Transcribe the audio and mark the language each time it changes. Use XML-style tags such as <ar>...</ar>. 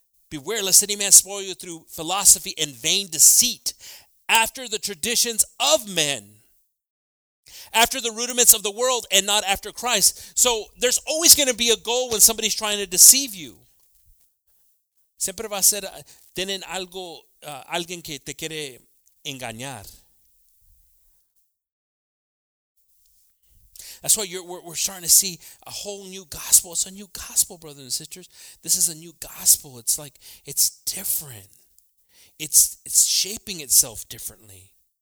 <en>Beware lest any man spoil you through philosophy and vain deceit, after the traditions of men, after the rudiments of the world, and not after Christ. So there's always going to be a goal when somebody's trying to deceive you.</en> <es>Siempre va a ser, tienen algo, alguien que te quiere engañar.</es> <en>That's why we're starting to see a whole new gospel. It's a new gospel, brothers and sisters. This is a new gospel. It's like, it's different. It's shaping itself differently.</en>